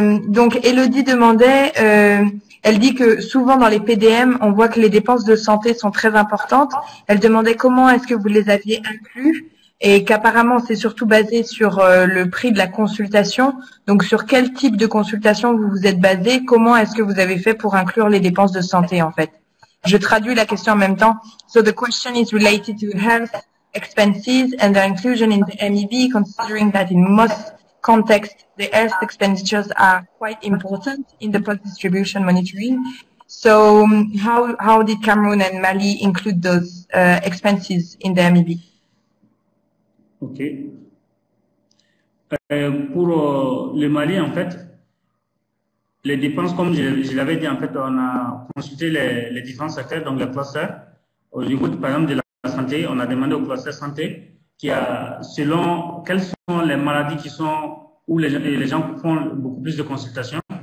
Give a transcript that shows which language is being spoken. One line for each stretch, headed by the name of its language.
French: Donc, Elodie demandait, elle dit que souvent dans les PDM, on voit que les dépenses de santé sont très importantes. Elle demandait comment est-ce que vous les aviez inclus et qu'apparemment, c'est surtout basé sur le prix de la consultation. Donc, sur quel type de consultation vous vous êtes basé? Comment est-ce que vous avez fait pour inclure les dépenses de santé, en fait? Je traduis la question en même temps.
English: So, the question is related to health expenses and their inclusion in the MEB, considering that in most context, the health expenditures are quite important in the product distribution monitoring. So, how did Cameroon and Mali include those expenses in the MEB? OK.
French: Pour le Mali, en fait, les dépenses, comme je l'avais dit, en fait, on a consulté les différents secteurs, donc les clusters. Au niveau, par exemple, de la santé, on a demandé au cluster santé qui a, selon quelles sont les maladies qui sont où les gens font beaucoup plus de consultations.